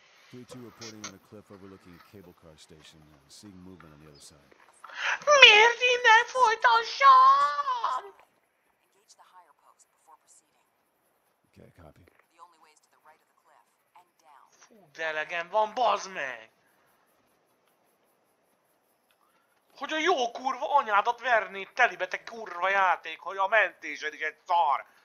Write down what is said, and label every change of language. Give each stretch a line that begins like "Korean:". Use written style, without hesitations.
Hungarian: Gyakadzire, elegem van már!
English: 3-2 reporting on a cliff overlooking a cable car station and seeing movement on the other side.
Hungarian: Miért innen folytassam?
English: Engage the higher post before proceeding. Okay, copy. The only way is to the right of the cliff and down.
Hungarian: Fú, de elegem van, bazd meg! Hogy a jó kurva anyádat verni telibe, te kurva játék, hogy a mentésed is egy szar!